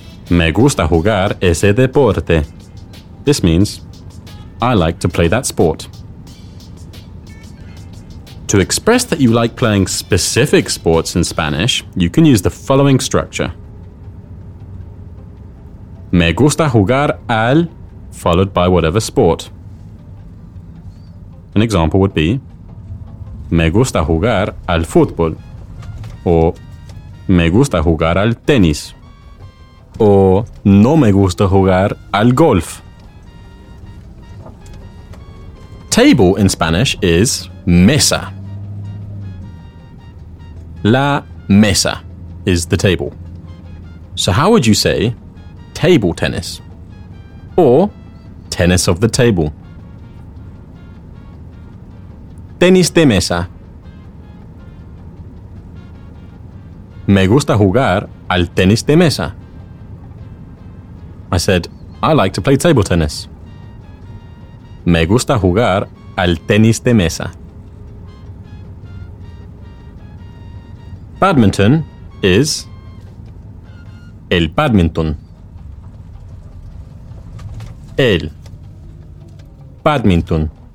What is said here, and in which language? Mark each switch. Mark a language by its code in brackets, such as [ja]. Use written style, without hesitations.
[es] Me gusta jugar ese deporte. [en] This means, I like to play that sport. To express that you like playing specific sports in Spanish, you can use the following structure. [es] Me gusta jugar al, [en] followed by whatever sport. An example would be, [es] me gusta jugar al fútbol, [en] or [es] me gusta jugar al tenis. O no me gusta jugar al golf. [en] Table in Spanish is mesa. [es] La mesa [en] is the table. So how would you say table tennis? Or tennis of the table? [es] Tenis de mesa. Me gusta jugar al tenis de mesa. [en] I said, I like to play table tennis. [es] Me gusta jugar al tenis de mesa. [en] Badminton is el badminton. [es] El badminton.